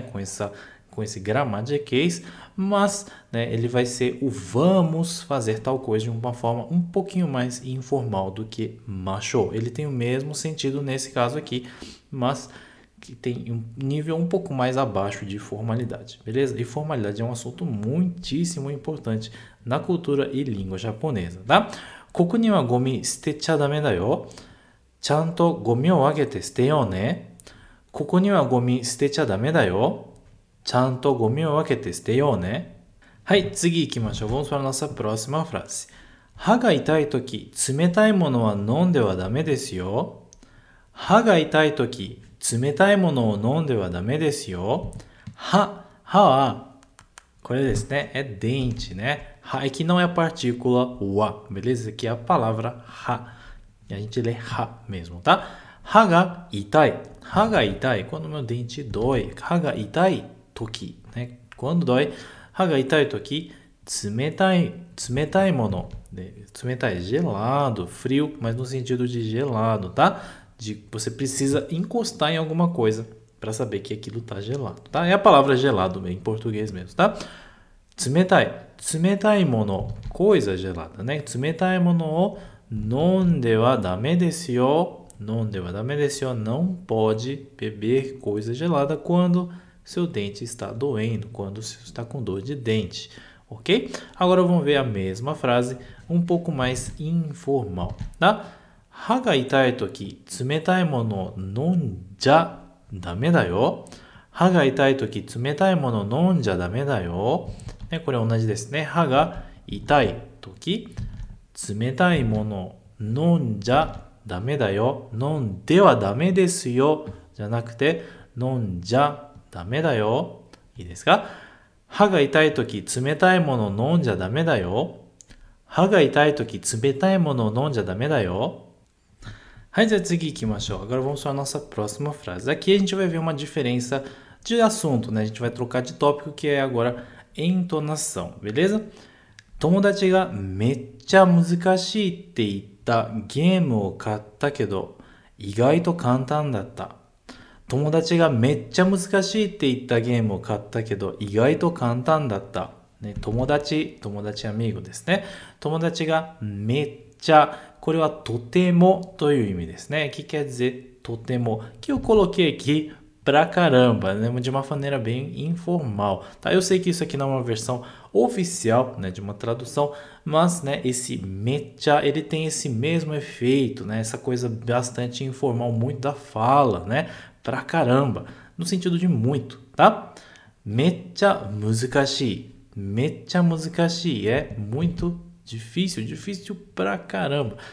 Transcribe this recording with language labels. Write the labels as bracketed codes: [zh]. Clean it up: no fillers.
[pt] Com esse gramatiquês, mas, né, ele vai ser o vamos fazer tal coisa de uma forma um pouquinho mais informal do que machou. Ele tem o mesmo sentido nesse caso aqui, mas que tem um nível um pouco mais abaixo de formalidade, beleza? E formalidade é um assunto muitíssimo importante na cultura e língua japonesa, tá? [ja] Koko ni wa gomi sute cha dame da yo. ちゃんとゴミを分けて捨てようね。ここにはゴミ捨てちゃダメだよ。ちゃんとゴミを分けて捨てようね。はい、次行きましょう。 [pt] Vamos para a nossa próxima frase. [ja] 歯が痛いとき、冷たいものは飲んではダメですよ。歯が痛いとき、冷たいものを飲んではダメですよ。歯は、これですね。 [pt] É dente, né? 歯、aqui não é partícula wa, beleza? Aqui é a palavra 歯。 A gente lê ha mesmo, tá? [ja] Ha ga itai. [pt] Ha ga itai, quando meu dente dói. [ja] Ha ga itai toki, né? [pt] Quando dói, [ja] ha ga itai toki, tsumetai mono. [pt] Tsumetai, gelado, frio, mas no sentido de gelado, tá? De, você precisa encostar em alguma coisa para saber que aquilo tá gelado, tá? É a palavra gelado em português mesmo, tá? [ja] Tsumetai, tsumetai mono, [pt] coisa gelada, né? [ja] Tsumetai mono o... 飲んではダメですよ。 [pt] Não pode beber coisa gelada quando seu dente está doendo, quando você está com dor de dente, ok? Agora vamos ver a mesma frase um pouco mais informal, tá? [ja] 歯が痛いとき、冷たいものを飲んじゃダメだよ。歯が痛いとき、冷たいものを飲んじゃダメだよ。ね、これ同じですね。歯が痛いとき、冷たいもの飲んじゃダメだよ。飲んではダメですよ。じゃなくて、飲んじゃダメだよ。いいですか？歯が痛いとき、冷たいもの飲んじゃダメだよ。歯が痛いとき、冷たいものを飲んじゃダメだよ。はい、じゃあ次行きましょう。 [pt] Agora vamos para a nossa próxima frase. Aqui a gente vai ver uma diferença de assunto, né? A gente vai trocar de tópico, que é agora entonação, beleza? [ja] 友達がめっちゃ難しいって言ったゲームを買ったけど意外と簡単だった。友達がめっちゃ難しいって言ったゲームを買ったけど意外と簡単だった。ね、友達アミーゴですね。友達がめっちゃ、これはとてもという意味ですね。 [pt] Que quer dizer [ja] とても。 [pt] Que eu coloquei aqui pra caramba, né? De uma maneira bem informal, tá? Eu sei que isso aqui não é uma versão oficial, né, de uma tradução, mas, né, esse mecha, ele tem esse mesmo efeito, né? Essa coisa bastante informal, muito da fala, né? Pra caramba, no sentido de muito, tá? [ja] Mecha muzukashii [pt] é muito difícil, difícil pra caramba.